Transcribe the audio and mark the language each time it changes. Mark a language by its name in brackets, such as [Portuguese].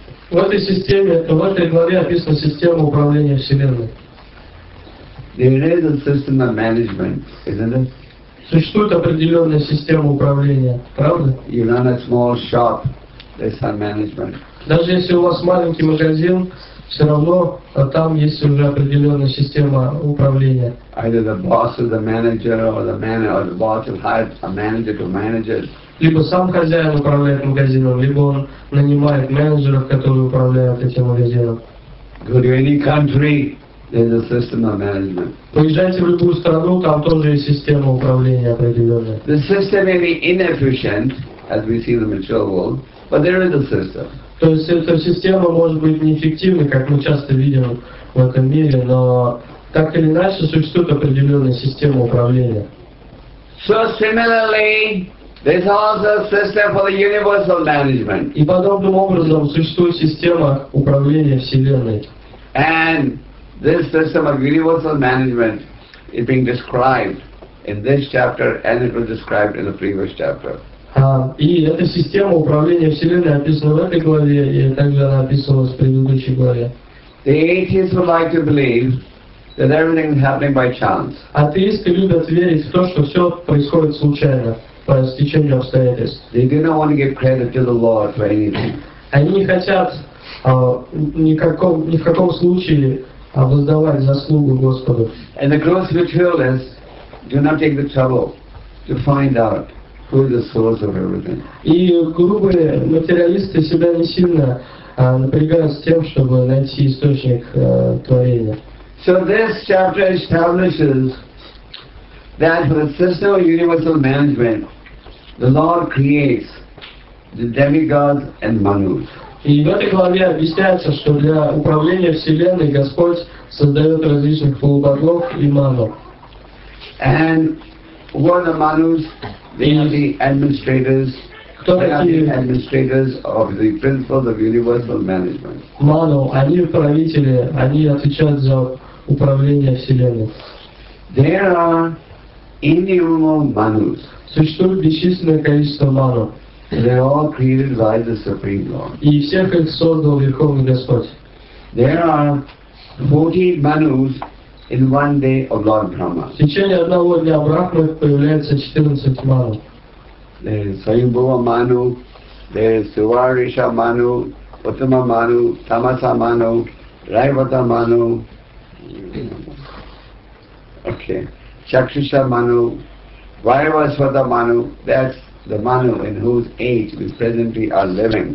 [Russian] В этой системе, в этой главе описана система управления Вселенной. [English] There is a system of management, isn't it? [Russian] Существует определенная система управления, правда? [English] You run a small shop, there's some management. [Russian] Даже если у вас маленький магазин, все равно там есть уже определенная система управления. [English] Either the boss is the manager, or the manager, or the boss will hire a manager to manage it. [Russian] Либо сам хозяин управляет магазином, либо он нанимает менеджеров, которые управляют этим магазином. [English] Go to any country, there's a system of management. [Russian] Поезжайте в любую страну, там тоже есть система управления определенная. [English] The system may be inefficient, as we see in the mature world, but there is a system. [Russian] То есть эта система может быть неэффективной, как мы часто видим в этом мире, но так или иначе существует определенная система управления. [English] So similarly, there's also a system for the universal management. [Russian] И подобным образом существует система управления Вселенной. [English] And this system of universal management is being described in this chapter, and it was described in the previous chapter. [Russian] И эта система управления Вселенной описана в этой главе, и также она описывалась в предыдущей главе. [English] The atheists would like to believe that everything is happening by chance. [Russian] Атеисты любят верить в то, что все происходит случайно, по стечению обстоятельств. [English] They do not want to give credit to the Lord for anything. [Russian] Они не хотят ни в каком случае воздавать заслугу Господу. [English] And the gross materialists do not take the trouble to find out who is the source of everything. [Russian] И грубые материалисты себя не сильно напрягают с тем, чтобы найти источник творения. [English] So this chapter establishes that for the system of universal management, the Lord creates the demigods and manus. [Russian] И в этой главе объясняется, что для управления Вселенной Господь создает различных полубогов и ману. [English] And who are the manus? They are the administrators. [Russian] Кто [English] they [Russian] такие? [English] Are the administrators of the principles of universal management. [Russian] Ману, они управители, они отвечают за управление Вселенной. [English] There are innumerable manus. [Russian] Существует бесчисленное количество ману. [English] They are all created by the Supreme Lord. [Russian] И всех их создал Верховный Господь. [English] There are 40 manus in one day of Lord Brahma. [Russian] В течение одного дня Брахмы появляется 14 ману. [English] There is Swayambhuva Manu, there is Suvarisha Manu, Uttama Manu, Tamasa Manu, Raivata Manu, okay, Chakshusha Manu, Vairavaswata Manu, that's the manu in whose age we presently are living.